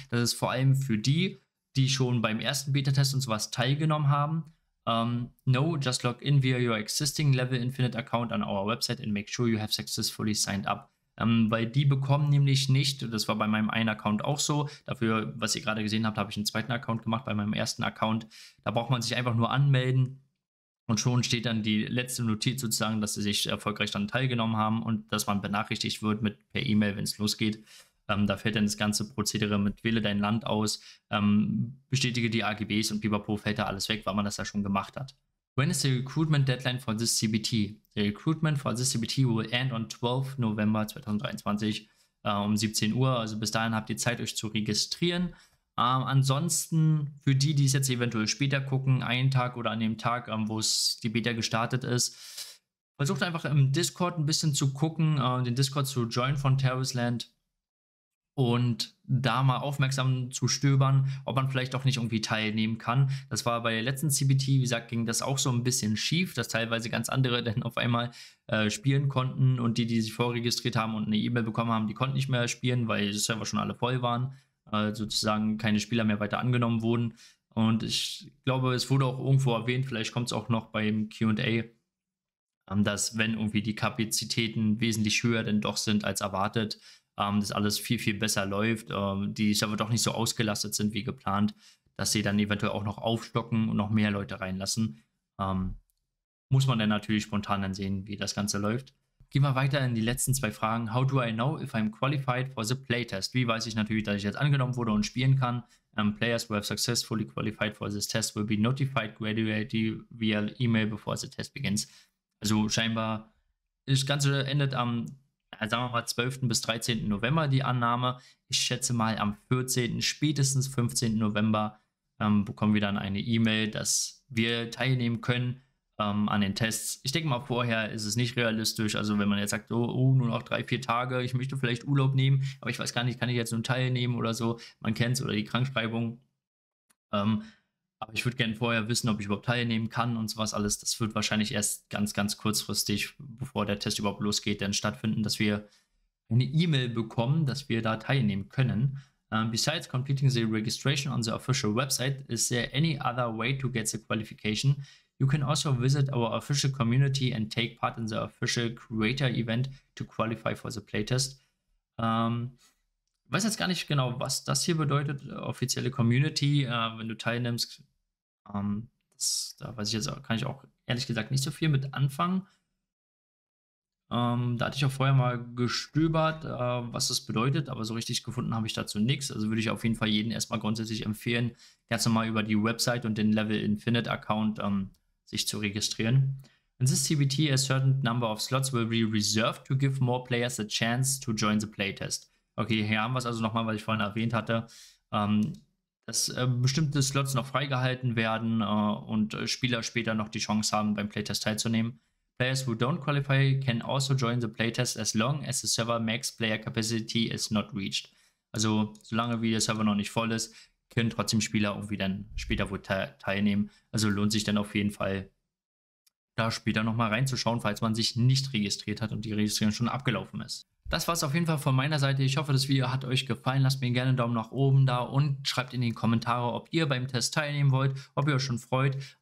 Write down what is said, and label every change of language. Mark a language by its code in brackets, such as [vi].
[de] Das ist vor allem für die, die schon beim ersten Beta-Test und sowas teilgenommen haben. [en] No, just log in via your existing Level Infinite Account on our website and make sure you have successfully signed up. [de] Weil die bekommen nämlich nicht, das war bei meinem einen Account auch so, dafür, was ihr gerade gesehen habt, habe ich einen zweiten Account gemacht bei meinem ersten Account. Da braucht man sich einfach nur anmelden und schon steht dann die letzte Notiz sozusagen, dass sie sich erfolgreich dann teilgenommen haben und dass man benachrichtigt wird mit per E-Mail, wenn es losgeht. Da fällt dann das ganze Prozedere mit wähle dein Land aus, bestätige die AGBs und pipapo, fällt da alles weg, weil man das ja schon gemacht hat. [en] When is the recruitment deadline for this CBT? The recruitment for this CBT will end on 12 November 2023 [de] um 17 Uhr. Also bis dahin habt ihr Zeit, euch zu registrieren. Ansonsten für die, die es jetzt eventuell später gucken, einen Tag oder an dem Tag, wo es die Beta gestartet ist, versucht einfach im Discord ein bisschen zu gucken, den Discord zu joinen von Terrasland und da mal aufmerksam zu stöbern, ob man vielleicht auch nicht irgendwie teilnehmen kann. Das war bei der letzten CBT, wie gesagt, ging das auch so ein bisschen schief, dass teilweise ganz andere dann auf einmal spielen konnten und die, die sich vorregistriert haben und eine E-Mail bekommen haben, die konnten nicht mehr spielen, weil die Server schon alle voll waren. Sozusagen keine Spieler mehr weiter angenommen wurden. Und ich glaube, es wurde auch irgendwo erwähnt, vielleicht kommt es auch noch beim Q&A, dass wenn irgendwie die Kapazitäten wesentlich höher denn doch sind als erwartet, das alles viel, viel besser läuft, die Server doch nicht so ausgelastet sind wie geplant, dass sie dann eventuell auch noch aufstocken und noch mehr Leute reinlassen. Muss man dann natürlich spontan dann sehen, wie das Ganze läuft. Gehen wir weiter in die letzten zwei Fragen. [en] How do I know if I'm qualified for the playtest? [de] Wie weiß ich natürlich, dass ich jetzt angenommen wurde und spielen kann? [en] Players who have successfully qualified for this test will be notified gradually via email before the test begins. [de] Also scheinbar, das Ganze endet am, sagen wir mal, 12. bis 13. November die Annahme. Ich schätze mal am 14., spätestens 15. November bekommen wir dann eine E-Mail, dass wir teilnehmen können an den Tests. Ich denke mal, vorher ist es nicht realistisch. Also wenn man jetzt sagt, oh, nur noch 3-4 Tage, ich möchte vielleicht Urlaub nehmen, aber ich weiß gar nicht, kann ich jetzt nur teilnehmen oder so. Man kennt es oder die Krankschreibung. Aber ich würde gerne vorher wissen, ob ich überhaupt teilnehmen kann und sowas alles. Das wird wahrscheinlich erst ganz, ganz kurzfristig, bevor der Test überhaupt losgeht, dann stattfinden, dass wir eine E-Mail bekommen, dass wir da teilnehmen können. [en] Besides completing the registration on the official website, is there any other way to get the qualification? You can also visit our official community and take part in the official creator event to qualify for the playtest. [de] Weiß jetzt gar nicht genau, was das hier bedeutet, offizielle Community, wenn du teilnimmst. Da weiß ich jetzt auch, kann ich auch ehrlich gesagt nicht so viel mit anfangen. Da hatte ich auch vorher mal gestöbert, was das bedeutet, aber so richtig gefunden habe ich dazu nichts. Also würde ich auf jeden Fall jeden erstmal grundsätzlich empfehlen, ganz normal über die Website und den Level Infinite Account sich zu registrieren. [en] In this CBT, a certain number of slots will be reserved to give more players a chance to join the playtest. [de] Okay, hier haben wir es also nochmal, was ich vorhin erwähnt hatte, dass bestimmte Slots noch freigehalten werden und Spieler später noch die Chance haben, beim Playtest teilzunehmen. [en] Players who don't qualify can also join the playtest as long as the server max player capacity is not reached. [de] Also solange wie der Server noch nicht voll ist, können trotzdem Spieler irgendwie dann später wohl teilnehmen. Also lohnt sich dann auf jeden Fall, da später nochmal reinzuschauen, falls man sich nicht registriert hat und die Registrierung schon abgelaufen ist. Das war es auf jeden Fall von meiner Seite. Ich hoffe, das Video hat euch gefallen. Lasst mir gerne einen Daumen nach oben da und schreibt in die Kommentare, ob ihr beim Test teilnehmen wollt, ob ihr euch schon freut.